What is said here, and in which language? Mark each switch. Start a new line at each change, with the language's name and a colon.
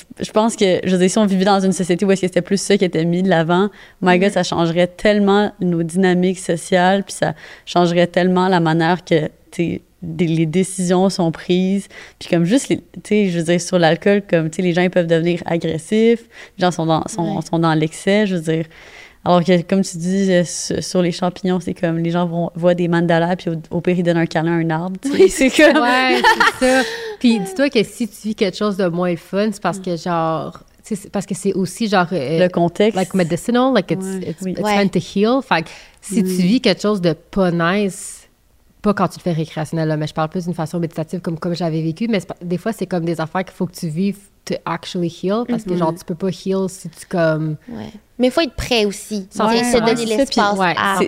French: je pense que, je veux dire, si on vivait dans une société où est-ce que c'était plus ça qui était mis de l'avant,
English: my God,
French: ça changerait tellement nos dynamiques sociales, puis ça changerait tellement la manière que, tu sais, les décisions sont prises, puis comme juste, tu sais, je veux dire, sur l'alcool, comme, tu sais, les gens, ils peuvent devenir agressifs, les gens sont dans l'excès, je veux dire. Alors que, comme tu dis, sur les champignons, c'est comme les gens voient des mandalas, puis au pire, ils donnent un câlin à un arbre. Tu sais, c'est comme... Ouais, c'est ça. Puis dis-toi que si tu vis quelque chose de moins fun, c'est parce que, genre... C'est parce que c'est aussi, genre... Le contexte.
English: Like, medicinal, like, it's meant to heal.
French: Fait que si tu vis quelque chose de pas nice, pas quand tu le fais récréationnel, là, mais je parle plus d'une façon méditative, comme j'avais vécu, mais des fois, c'est comme des affaires qu'il faut que tu vives
English: to actually heal,
French: parce que, genre, tu peux pas heal si tu, comme... Ouais. Mais il faut être prêt aussi. C'est donner l'espace. Puis,